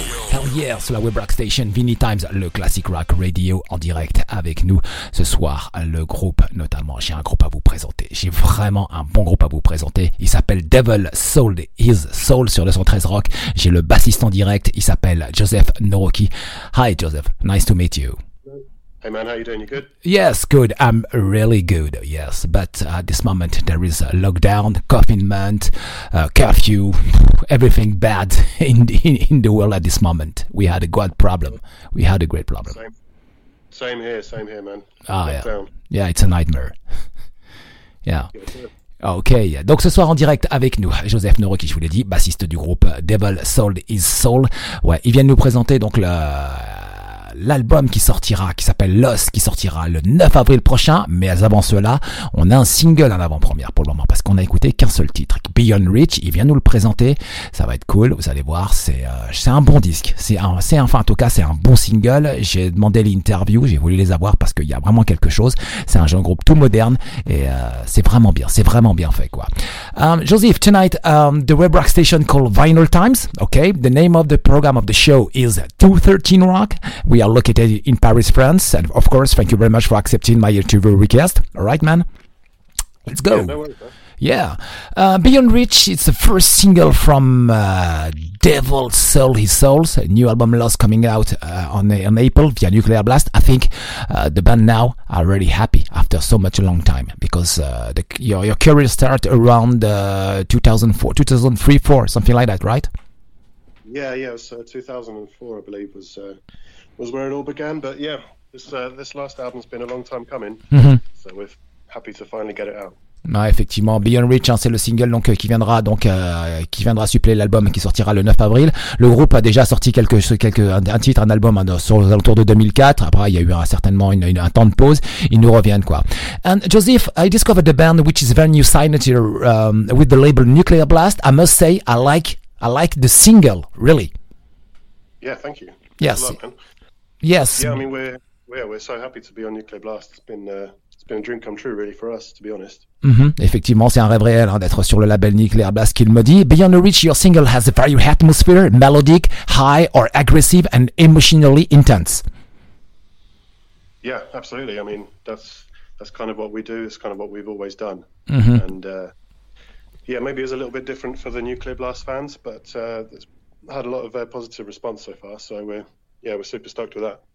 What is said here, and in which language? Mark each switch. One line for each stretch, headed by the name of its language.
English: Hell yeah,
French: sur la web rock station Vinny Times, le Classic Rock Radio en direct avec nous ce soir. Le groupe, notamment, j'ai un groupe à vous présenter. J'ai vraiment un bon groupe à vous présenter. Il s'appelle Devil Sold His Soul sur le 113 Rock. J'ai le bassiste en direct, il s'appelle Joseph Noroki.
English: Hi Joseph, nice to meet you. Hey man, how are you doing? You good? Yes, good. I'm really good, yes. But at this moment, there is a lockdown, confinement, curfew, everything bad in the world at this moment. We had a great problem. We had a great problem. Same here, man. Ah, lockdown. Yeah, it's a nightmare. Yeah.
French: Ok, donc ce soir en direct avec nous, Joseph Noroki, je vous l'ai dit, bassiste du groupe Devil Sold His Soul. Ouais, il vient de nous présenter donc le... l'album qui sortira, qui s'appelle Lost, qui sortira le 9 avril prochain. Mais avant cela, on a un single en avant-première pour le moment, parce qu'on a écouté qu'un seul titre, Beyond Reach. Il vient nous le présenter, ça va être cool, vous allez voir. C'est un bon disque, c'est un bon single. J'ai demandé l'interview, j'ai voulu les avoir parce qu'il y a vraiment quelque chose. C'est un jeune groupe tout moderne et c'est vraiment bien fait quoi.
English: Joseph, tonight the web rock station called Vinyl Times, okay, the name of the program of the show is 213 Rock. We are located in Paris, France, and of course, thank you very much for accepting my interview request. All right, man, let's go. Yeah, no worries, man. Yeah. Beyond Reach, it's the first single from Devil Sold His Soul, a new album Lost coming out on April via Nuclear Blast. I think the band now are really happy after so much a long time, because your career started around 2003-2004, something like that, right? Yeah, it was 2004, I believe, was where it all began. But yeah, this last album's been a long time coming, So we're happy to finally get it out.
French: Ah, effectivement, Beyond Reach, hein, c'est le single donc qui viendra suppléer l'album qui sortira le 9 avril. Le groupe a déjà sorti un album sur les alentours de 2004. Après, il y a eu certainement un temps de pause. Ils nous reviennent quoi.
English: And Joseph, I discovered the band which is very new signature with the label Nuclear Blast. I must say, I like the single, really. Yeah, thank you. Yes. Love, yes. Yeah, I mean we're so happy to be on Nuclear Blast. It's been a dream come true really for us, to be honest. Mm-hmm.
French: Effectivement, c'est un rêve réel, hein, d'être sur le label Nuclear Blast, qu'il me dit.
English: Beyond the Reach, your single has a very atmosphere, melodic, high or aggressive and emotionally intense. Yeah, absolutely. I mean, that's kind of what we do, it's kind of what we've always done. Mm-hmm. And maybe it's a little bit different for the Nuclear Blast fans, but it's had a lot of positive response so far, so we're super stoked with that.